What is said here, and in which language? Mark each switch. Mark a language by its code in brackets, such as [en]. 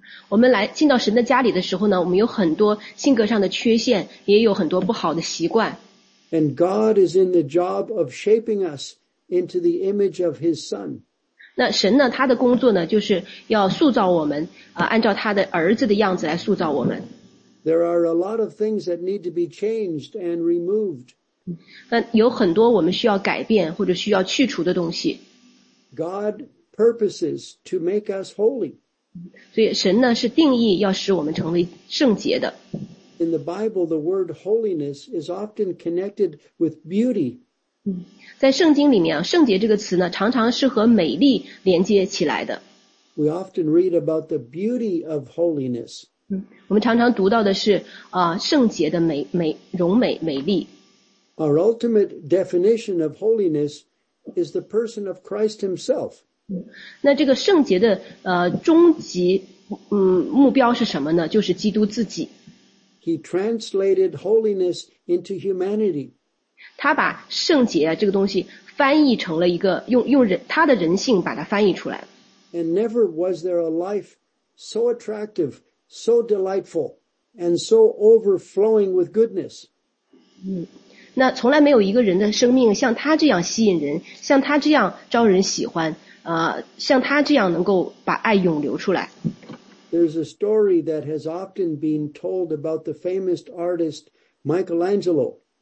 [zh] 我们来进到神的家里的时候呢，我们有很多性格上的缺陷，也有很多不好的习惯。 [en] And God is in the job of shaping us into the image of his son. [zh] 那神呢，他的工作呢，就是要塑造我们，按照他的儿子的样子来塑造我们。 [en] There are a lot of things that need to be changed and removed. [zh] 那有很多我们需要改变或者需要去除的东西。 [en] God purposes to make us holy. [zh] 所以神呢，是定义要使我们成为圣洁的。 [en] In the Bible, the word holiness is often connected with beauty. [zh] 在圣经里面，圣洁这个词呢，常常是和美丽连接起来的。 [en] We often read about the beauty of holiness. [zh] 我们常常读到的是圣洁的美丽。 [en] Our ultimate definition of holiness is the person of Christ himself. [zh] 那这个圣洁的终极目标是什么呢？就是基督自己。 [en] He translated holiness into humanity. [zh] 他把圣洁这个东西翻译成了一个用人他的人性把它翻译出来。 [en] And never was there a life so attractive, so delightful, and so overflowing with goodness. [zh] 那从来没有一个人的生命像他这样吸引人，像他这样招人喜欢，像他这样能够把爱涌流出来。 [en] There's a story that has often been told about the famous artist Michelangelo.